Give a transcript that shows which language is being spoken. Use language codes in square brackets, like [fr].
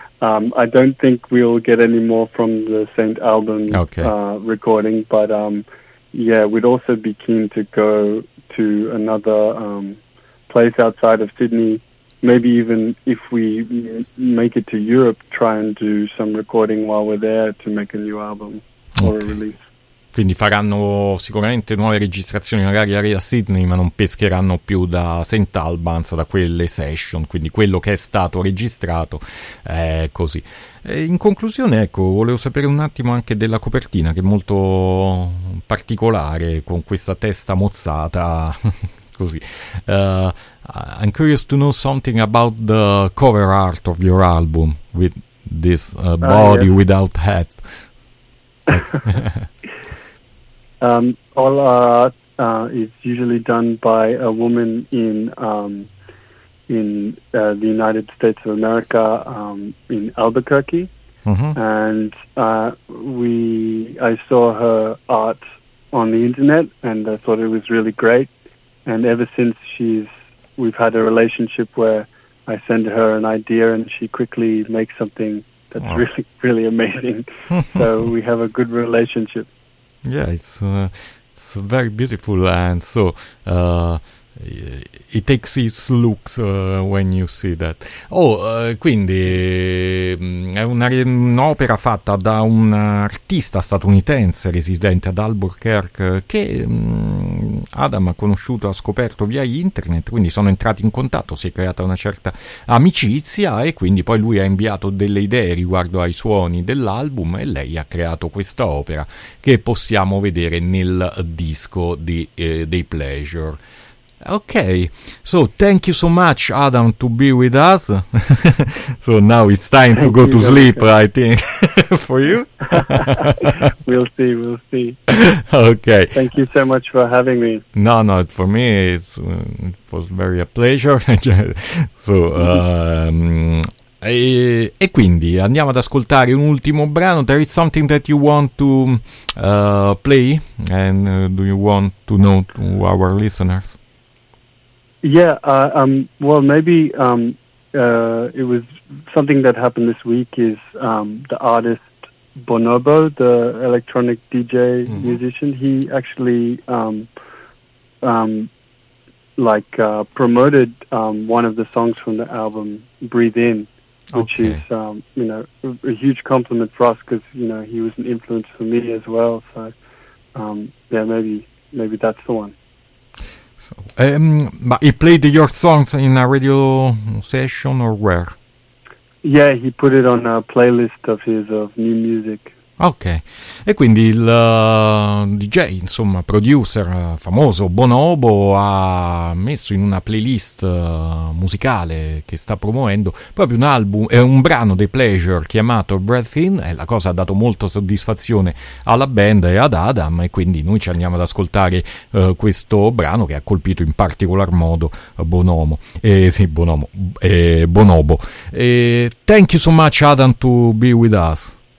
[en] I don't think we'll get any more from the St. Albans recording, but we'd also be keen to go to another place outside of Sydney, maybe even if we make it to Europe, try and do some recording while we're there to make a new album or a release. [it] Quindi faranno sicuramente nuove registrazioni magari a Sydney, ma non pescheranno più da St. Albans, da quelle session, quindi quello che è stato registrato è così. E in conclusione, ecco, volevo sapere un attimo anche della copertina, che è molto particolare, con questa testa mozzata, così. [en] I'm curious to know something about the cover art of your album, with this body without hat. All art is usually done by a woman in the United States of America, in Albuquerque, and I saw her art on the internet, and I thought it was really great. And ever since we've had a relationship where I send her an idea, and she quickly makes something that's really, really amazing. So we have a good relationship. Yeah, it's very beautiful, and so it takes its looks when you see that. [it] Quindi è un'opera fatta da un artista statunitense residente ad Albuquerque che Adam ha conosciuto, ha scoperto via internet, quindi sono entrati in contatto, si è creata una certa amicizia e quindi poi lui ha inviato delle idee riguardo ai suoni dell'album e lei ha creato questa opera che possiamo vedere nel disco di dei Pleasure. [en] Okay, so thank you so much, Adam, to be with us. So now it's time to go to sleep, I think, for you. we'll see. Okay. Thank you so much for having me. No, for me it was very a pleasure. [it] So, e quindi andiamo ad ascoltare un ultimo brano. [en] There is something that you want to play, and do you want to know to our listeners? Yeah, it was something that happened this week is the artist Bonobo, the electronic DJ musician, he actually promoted one of the songs from the album Breathe In, which is a huge compliment for us, because he was an influence for me as well, so maybe that's the one. But he played your songs in a radio session or where? Yeah, he put it on a playlist of his of new music. [it] Ok, e quindi il DJ, insomma, producer famoso Bonobo ha messo in una playlist musicale che sta promuovendo proprio un album, un brano dei Pleasure chiamato Breath In, e la cosa ha dato molta soddisfazione alla band e ad Adam, e quindi noi ci andiamo ad ascoltare questo brano che ha colpito in particolar modo Bonobo. Bonobo. [en] Thank you so much, Adam, to be with us.